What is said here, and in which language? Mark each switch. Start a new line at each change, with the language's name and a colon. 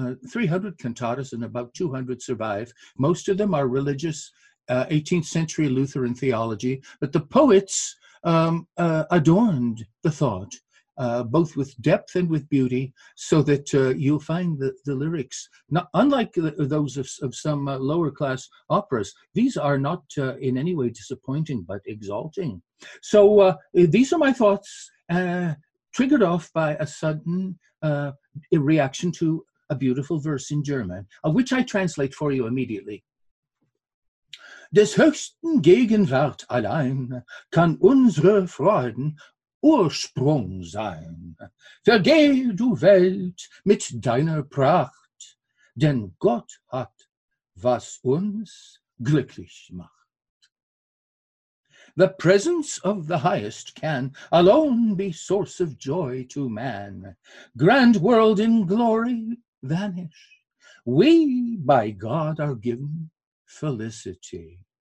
English: 300 cantatas and about 200 survive. Most of them are religious 18th century Lutheran theology, but the poets adorned the thought both with depth and with beauty, so that you'll find the lyrics, not unlike those of some lower class operas, these are not in any way disappointing, but exalting. So these are my thoughts, triggered off by a sudden reaction to a beautiful verse in German, of which I translate for you immediately.
German: Des höchsten Gegenwart allein kann unsere Freuden Ursprung sein. Vergeh du Welt mit deiner Pracht, denn Gott hat, was uns glücklich macht.
English: The presence of the highest can alone be source of joy to man. Grand world in glory vanish. We by God are given felicity.